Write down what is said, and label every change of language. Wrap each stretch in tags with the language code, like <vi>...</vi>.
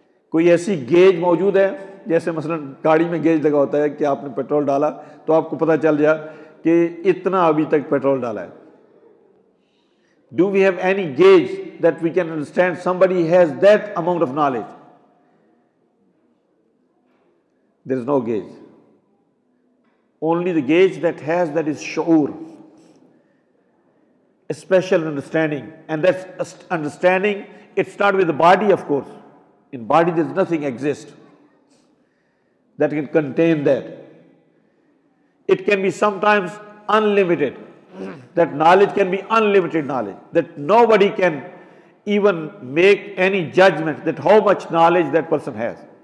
<ur>کوئی ایسی گیج موجود ہے، جیسے مثلا گاڑی میں گیج لگا ہوتا ہے کہ آپ نے پیٹرول ڈالا تو آپ کو پتہ چل جا کہ اتنا ابھی تک پیٹرول ڈالا ہے.</ur> <en>Do we have any gauge that we can understand somebody has that amount of knowledge? There is no gauge. Only the gauge that has that is شعور. A special understanding, and that understanding, it's not with the body, of course. In body there's nothing exist that can contain that. It can be sometimes unlimited. That knowledge can be unlimited knowledge, that nobody can even make any judgment that how much knowledge that person has.</en>